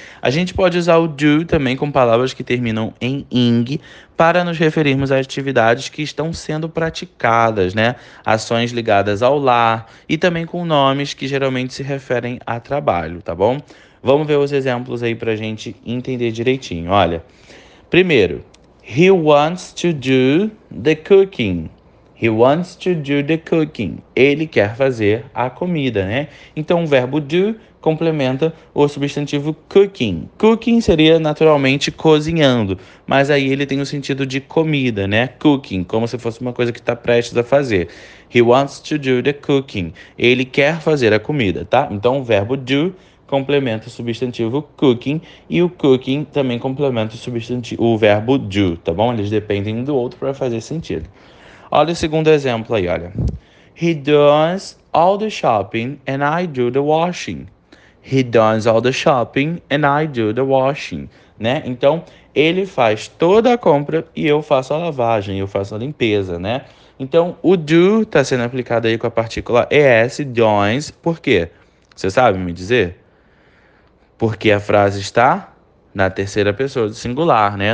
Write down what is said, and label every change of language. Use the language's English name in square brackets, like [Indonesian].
[Portuguese] A gente pode usar o do também com palavras que terminam em ing para nos referirmos a atividades que estão sendo praticadas, né? Ações ligadas ao lar e também com nomes que geralmente se referem a trabalho, tá bom? Vamos ver os exemplos aí para a gente entender direitinho. [English] Olha, primeiro, he wants to do the cooking. He wants to do the cooking. [Portuguese] Ele quer fazer a comida, né? Então, o verbo do complementa o substantivo cooking. Cooking seria naturalmente cozinhando, mas aí ele tem o sentido de comida, né? Cooking, como se fosse uma coisa que está prestes a fazer. [English] He wants to do the cooking. [Portuguese] Ele quer fazer a comida, tá? Então, o verbo do complementa o substantivo cooking e o cooking também complementa o substantivo, o verbo do, tá bom? Eles dependem um do outro para fazer sentido. Olha o segundo exemplo aí, olha. [English] He does all the shopping and I do the washing. He does all the shopping and I do the washing, né? [Portuguese] Então, ele faz toda a compra e eu faço a lavagem, eu faço a limpeza, né? Então, o do está sendo aplicado aí com a partícula es, does, por quê? Você sabe me dizer? Porque a frase está na terceira pessoa do singular, né?